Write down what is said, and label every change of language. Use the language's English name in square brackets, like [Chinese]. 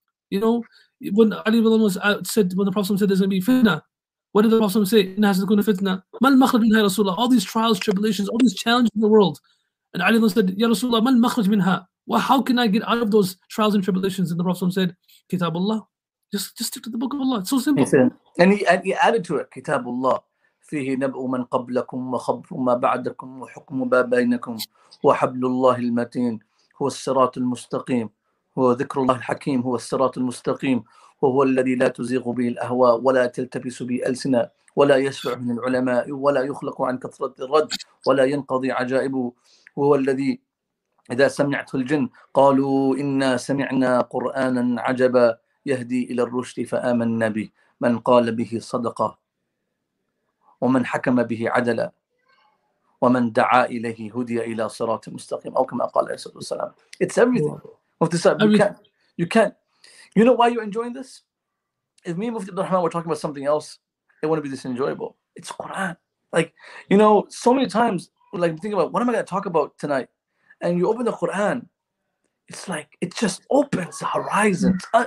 [English] You know, when Ali ibn was said, when the Prophet said there's going to be fitna, what did the Prophet say? [Arabic] Inna hasakuna fitna. Mal makhraj minha ya Rasulullah. [English] All these trials, tribulations, all these challenges in the world. And Ali ibn said, [Arabic] ya Rasulullah, mal makhraj minha. [English] Well, how can I get out of those trials and tribulations? And the Prophet said, Kitabullah. Just stick to the book of Allah. It's so simple. He said, and he added to it, Kitabullah. [Arabic] فيه نبأ من قبلكم وخبر ما بعدكم وحكم ما بينكم وحبل الله المتين هو الصراط المستقيم هو ذكر الله الحكيم هو الصراط المستقيم وهو الذي لا تزيغ به الأهواء ولا تلتبس به ألسنة ولا يشفع من العلماء ولا يخلق عن كثرة الرد ولا ينقضي عجائبه وهو الذي إذا سمعته الجن قالوا إنا سمعنا قرآنا عجبا يهدي إلى الرشد فآمنا به من قال به صدقه ومن حكم به عدلا ومن دعا إليه هدي إلى صراط مستقيم أو كما قال عليه الصلاة والسلام. [English] It's everything. Mufti Saab, you can't. You know why you're enjoying this? If me and Mufti Ibn Rahman were talking about something else, it wouldn't be this enjoyable. It's Quran. Like, you know, so many times, like, think about, what am I going to talk about tonight? And you open the Quran, it's like, it just opens the horizon.